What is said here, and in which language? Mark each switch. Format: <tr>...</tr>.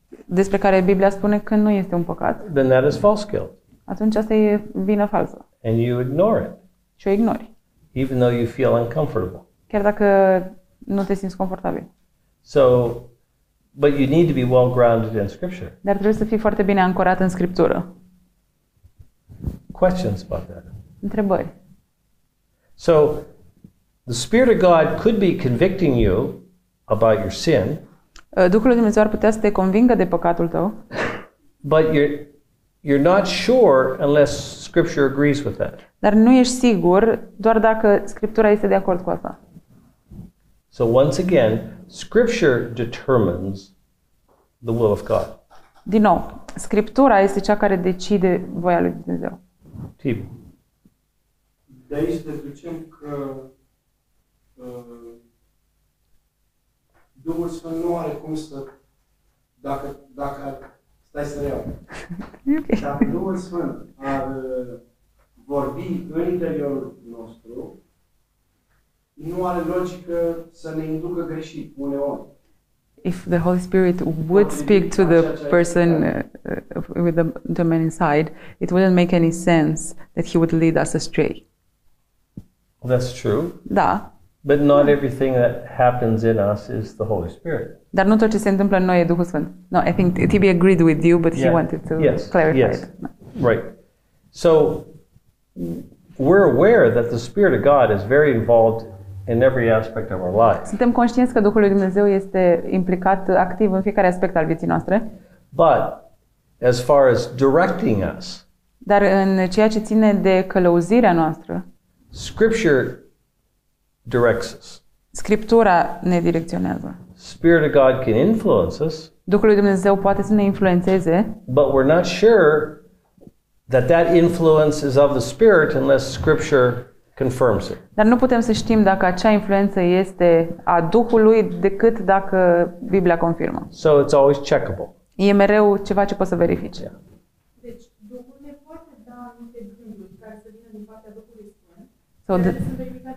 <ro>despre care Biblia spune că nu este un păcat,</ro> <en>then that is false guilt.</en> <ro>Atunci asta e vină falsă.</ro> <en>And you ignore it.</en> <ro>Și o ignori.</ro> <en>Even though you feel uncomfortable.</en> <ro>Chiar dacă nu te simți confortabil.</ro> <en>So, but you need to be well grounded in scripture.</en> <ro>Dar trebuie să fii foarte bine ancorat în scriptură.</ro> <en>Questions about that?</en> <ro>Întrebări.</ro> <en>So, the Spirit of God could be convicting you about your sin.</en> <ro>Duhul lui Dumnezeu ar putea să te convingă de păcatul tău.</ro> <en>But you're not sure unless scripture agrees with that.</en> <ro>Dar nu ești sigur doar dacă scriptura este de acord cu asta.</ro> <en>So once again, Scripture determines the will of God.</en> <ro>Din nou, Scriptura este cea care decide voia lui Dumnezeu.</ro> <en>Tip.</en> <ro>De aici deducem că Duhul Sfânt nu are cum să, dacă stai să reau.</ro> <en>Okay.</en> <ro>Dacă Duhul Sfânt ar vorbi în interiorul nostru, nu are logică să ne inducă greșit uneori.</ro> <en>If the Holy Spirit would speak to the person with the man inside, it wouldn't make any sense that he would lead us astray. That's true.</en> <ro>Da.</ro> <en>But not everything that happens in us is the Holy Spirit.</en> <ro>Dar nu tot ce se întâmplă în noi e Duhul Sfânt.</ro> <en>No, I think Tibi agreed with you, but he wanted to clarify it. Right. So we're aware that the Spirit of God is very involved in every aspect of our lives.</en> <ro>Suntem conștienți că Duhul lui Dumnezeu este implicat activ în fiecare aspect al vieții noastre.</ro> <en>But as far as directing us.</en> <ro>Dar în ceea ce ține de călăuzirea noastră.</ro> <en>Scripture directs us.</en> <ro>Scriptura ne direcționează.</ro> <en>Spirit of God can influence us.</en> <ro>Duhul lui Dumnezeu poate să ne influențeze.</ro> <en>But we're not sure that that influence is of the Spirit unless Scripture confirms it.</en> <ro>Dar nu putem să știm dacă acea influență este a Duhului decât dacă Biblia confirmă.</ro> <en>So it's always checkable.</en> <ro>E mereu ceva ce poți să verifici.</ro> <en>Yeah.</en> <ro>Deci Duhul ne poate da anumite gânduri care să vină din partea Duhului Sfânt.</ro>